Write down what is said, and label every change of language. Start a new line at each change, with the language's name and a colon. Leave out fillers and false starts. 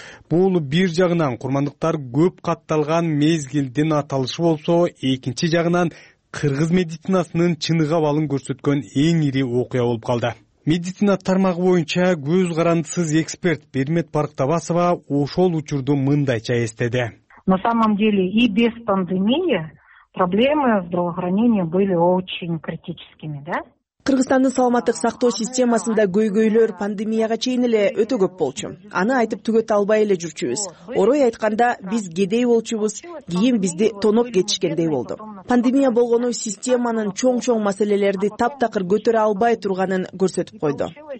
Kyrgyz: Бул бир жагынан курмандыктар көп катталган мезгилдин аталышы болсо, экинчи жагынан кыргыз медицинасынын чыныгы абалын көрсөткөн эң ири окуя болуп калды. Медицина тармагы боюнча көз карандысыз эксперт Бермет Барктабасова ошол учурду мындайча эстеди.
Russian: На самом деле и без пандемии проблемы здравоохранения были очень критическими, да?
Kyrgyz: Кыргызстандын саламаттык сактоо системасында көйгөйлөр пандемияга чейин эле өтө көп болчу. Аны айтып түгөтө албай эле жүрчүбүз. Орой айтканда биз кедей болчубуз, кийин бизди тонок кетишкендей болду. Пандемия болгону системанын чоң-чоң маселелерди таптакыр көтөрө албай турганын көрсөтүп койду.